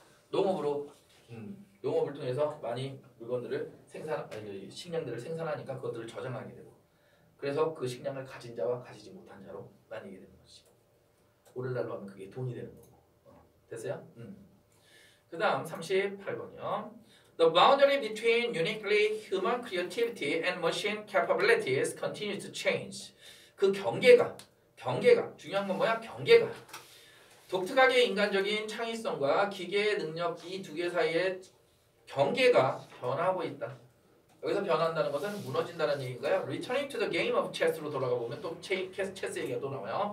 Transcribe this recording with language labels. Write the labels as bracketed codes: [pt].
[ko] 농업으로 농업을 통해서 많이 물건들을 생산 아니 식량들을 생산하니까 그것들을 저장하게 되고. 그래서 그 식량을 가진 자와 가지지 못한 자로 나뉘게 되는 거지. 오늘날로 하면 그게 돈이 되는 거고. 됐어요? 그다음 38번이요. [en] The boundary between uniquely human creativity and machine capabilities continues to change. [ko] 그 경계가 중요한 건 뭐야? 경계가. 독특하게 인간적인 창의성과 기계의 능력 이 두 개 사이의 경계가 변하고 있다. 여기서 변한다는 것은 무너진다는 얘기인가요? [en] Returning to the game of chess [ko] 로 돌아가 보면 또 체스 얘기가 또 나와요.